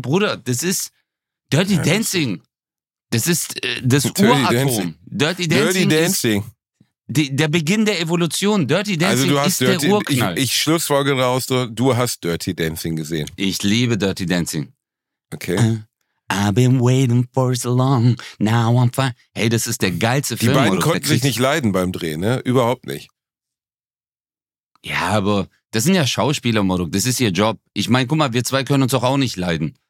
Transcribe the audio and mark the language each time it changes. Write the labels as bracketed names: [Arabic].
[German] Bruder, das ist Dirty Dancing. Das ist das Uratom. Dirty Dancing. Der Beginn der Evolution. Dirty Dancing, also du hast, ist Dirty, der Urknall. Ich schlussfolge raus, du hast Dirty Dancing gesehen. Ich liebe Dirty Dancing. Okay. [English] I've been waiting for so long, now I'm fine. [German] Hey, das ist der geilste Film. Die beiden konnten sich nicht leiden beim Drehen, ne? Überhaupt nicht. Ja, aber das sind ja Schauspieler, Moruk. Das ist ihr Job. Ich meine, guck mal, wir zwei können uns doch auch nicht leiden.